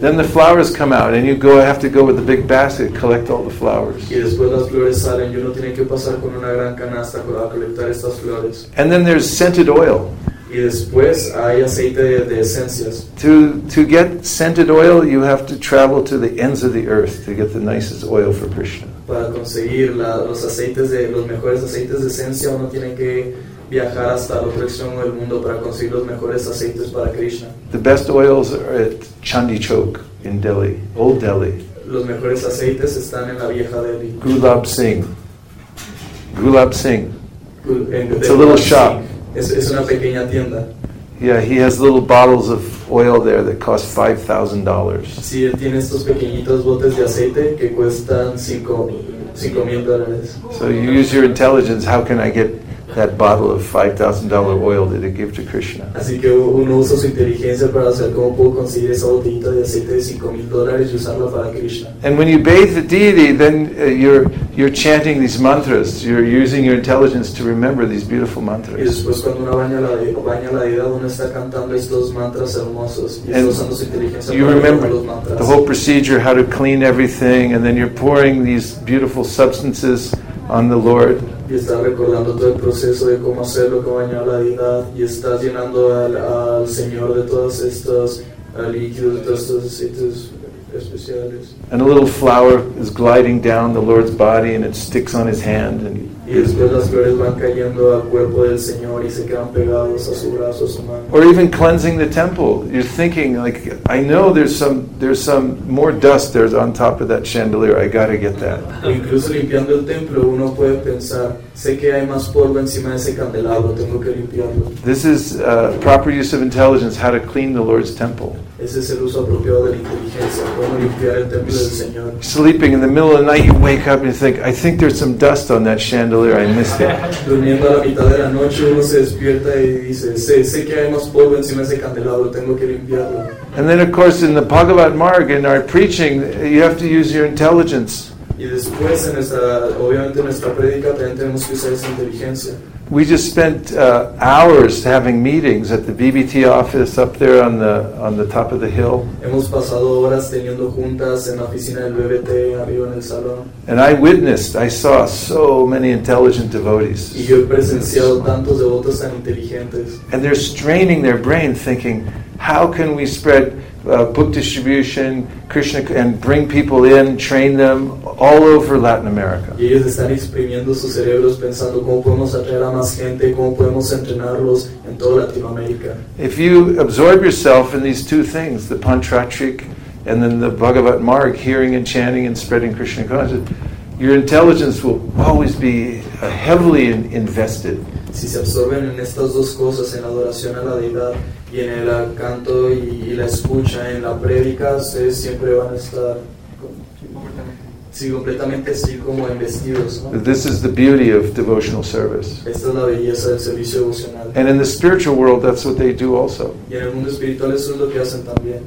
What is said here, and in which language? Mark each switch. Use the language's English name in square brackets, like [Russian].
[English] Then the flowers come out, and you have to go with a big basket, collect all the flowers. [Spanish] Y después las flores salen, y uno tiene que pasar con una gran canasta para colectar estas flores. [English] And then there's scented oil. [Spanish] Y después hay aceite de esencias. [English] To get scented oil, you have to travel to the ends of the earth to get the nicest oil for Krishna. [Spanish] Para conseguir los mejores aceites de esencia, uno tiene que viajar hasta el otro extremo del mundo para conseguir los mejores aceites para Krishna. [English] The best oils are at Chandni Chowk in Delhi, Old Delhi. [Spanish] Los mejores aceites están en la vieja Delhi. [English] Gulab Singh. It's a little shop. [Spanish] Es una pequeña tienda. [English] Yeah, he has little bottles of oil there that cost $5,000. [Spanish] Sí, él tiene estos pequeñitos botes de aceite que cuestan $5,000. [English] So you use your intelligence. How can I get that bottle of $5,000 oil that it gave to Krishna? [Spanish] Así que uno usa su inteligencia para saber cómo puedo conseguir esa botellita de aceite de $5,000 y usarla para Krishna. [English] And when you bathe the deity, then you're chanting these mantras. You're using your intelligence to remember these beautiful mantras. [Spanish] Y después cuando uno baña la deidad, uno está cantando estos mantras hermosos y está usando su inteligencia. [English] You remember the whole procedure, how to clean everything, and then you're pouring these beautiful substances on the Lord. [Spanish] Y está recordando todo el proceso de cómo hacerlo, cómo bañar la deidad, y está llenando al Señor de todos estos líquidos, de todos estos aceites especiales. [English] And a little flower is gliding down the Lord's body, and it sticks on his hand. And [Spanish] y después las flores van cayendo al cuerpo del Señor y se quedan pegados a su brazo, a su mano. [English] Or even cleansing the temple. You're thinking, like, I know there's some more dust there's on top of that chandelier. I gotta get that. [Spanish] Incluso limpiando el templo, uno puede pensar, sé que hay más polvo encima de ese candelabro, tengo que limpiarlo. [English] This is proper use of intelligence, how to clean the Lord's temple. [Spanish] Ese es el uso apropiado de la inteligencia, cómo limpiar el templo del Señor. [English] Sleeping in the middle of the night, you wake up and you think, I think there's some dust on that chandelier, I missed it. [Spanish] Durmiendo a la mitad de la noche, uno se despierta y dice, sé que hay más polvo encima de ese candelabro, tengo que limpiarlo. [English] And then, of course, in the Bhagavad Marga, in our preaching, you have to use your intelligence. [Spanish] Y después, obviamente en nuestra prédica, también tenemos que usar esa inteligencia. [English] We just spent hours having meetings at the BBT office up there on the top of the hill. [Spanish] Hemos pasado horas teniendo juntas en la oficina del BBT arriba en el salón. [English] And I saw so many intelligent devotees. [Spanish] Y yo he presenciado tantos devotos tan inteligentes. [English] And they're straining their brain thinking, how can we spread book distribution, Krishna, and bring people in, train them all over Latin America. [Spanish] Y ellos están exprimiendo sus cerebros pensando cómo podemos atraer a más gente, cómo podemos entrenarlos en toda Latinoamérica. [English] If you absorb yourself in these two things, the Pantratrik and then the Bhagavat Marg, hearing and chanting and spreading Krishna consciousness, your intelligence will always be heavily invested. [Spanish] Si se absorben en estas dos cosas, en la adoración a la deidad y en el canto y la escucha en la prédica, ustedes siempre van a estar completamente así como investidos, ¿no? [English] This is the beauty of devotional service. [Spanish] Esta es la belleza del servicio devocional. [English] And in the spiritual world, that's what they do also. [Spanish] Y en el mundo espiritual eso es lo que hacen también.